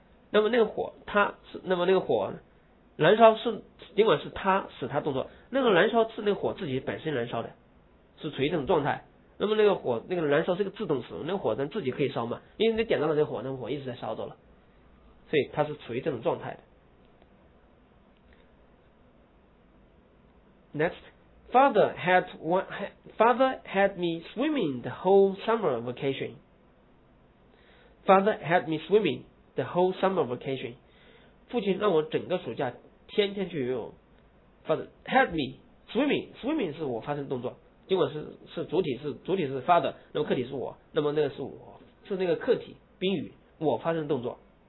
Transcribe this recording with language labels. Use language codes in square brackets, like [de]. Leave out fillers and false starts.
[zh] 那么那个火他是，那么那个火燃烧是，尽管是他使他动作，那个燃烧是那个火自己本身燃烧的，是处于这种状态。那么那个火那个燃烧是个自动词，那个火咱自己可以烧嘛，因为你点到了那个火，那个火一直在烧着了，所以它是处于这种状态的。 [en] Next, father had me swimming the whole summer vacation. Father had me swimming the whole summer vacation. [zh] 父亲让我整个暑假天天去游泳。 [en] Father had me swimming [zh] 是我发生动作，尽管是主体，主体是 father， 那么客体是我，那么那个是我，是那个客体宾语，我发生动作。